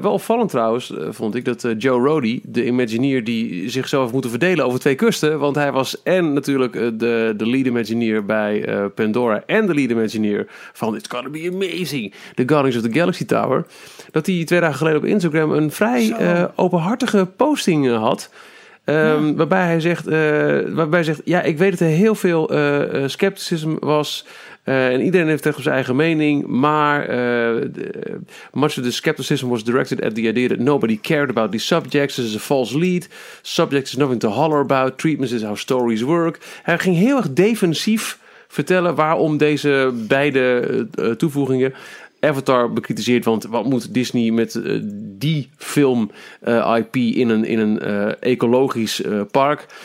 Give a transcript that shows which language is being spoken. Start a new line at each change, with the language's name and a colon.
Dutch: Wel opvallend trouwens, vond ik, dat Joe Rohde, de Imagineer die zichzelf heeft moeten verdelen over twee kusten, want hij was en natuurlijk de lead Imagineer bij Pandora en de lead Imagineer van It's Gonna Be Amazing, The Guardians of the Galaxy Tower, dat hij twee dagen geleden op Instagram een vrij openhartige posting had. Waarbij hij zegt, ja, ik weet dat er heel veel scepticisme was. En iedereen heeft tegen zijn eigen mening. Maar
English: much of the skepticism was directed at the idea that nobody cared about these subjects. This is a false lead. Subjects is nothing to holler about. Treatments is how stories work.
Dutch: Hij ging heel erg defensief vertellen waarom deze beide toevoegingen Avatar bekritiseert. Want wat moet Disney met die film IP in een ecologisch park?